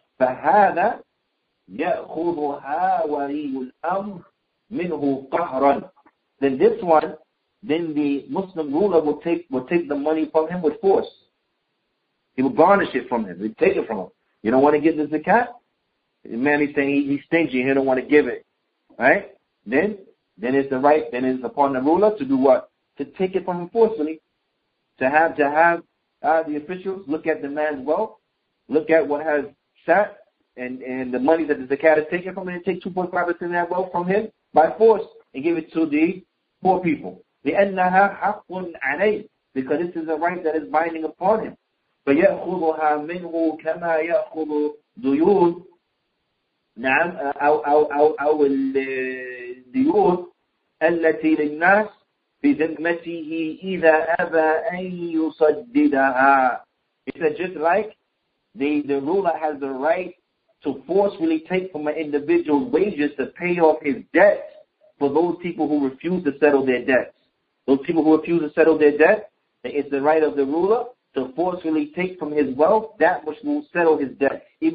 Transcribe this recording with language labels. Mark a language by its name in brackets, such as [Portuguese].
[Arabic] فهذا يأخذها ولي الأمر منه قهرا. [English] Then this one, then the Muslim ruler will take the money from him with force. He will garnish it from him. He'll take it from him. You don't want to give the zakat? The man is saying he's stingy. He don't want to give it, right? Then it's upon the ruler to do what? To take it from him forcefully. To have the officials look at the man's wealth, look at what has sat, and the money that the zakat is taken from him, and take 2.5% of that wealth from him by force and give it to the poor people. [Arabic] لِأَنَّهَا حَقٌ عَلَيْهِ, [English] because this is a right that is binding upon him. [Arabic] فَيَأْخُذُهَا مِنْهُ كَمَا يَأْخُذُ دُيُون. نعم, أو الديون التي للناس في ذمته إذا أبى أن يسددها. [English] It's just like the ruler has the right to forcefully take from an individual's wages to pay off his debt for those people who refuse to settle their debts. Those people who refuse to settle their debt, it's the right of the ruler to forcefully take from his wealth that which will settle his debt.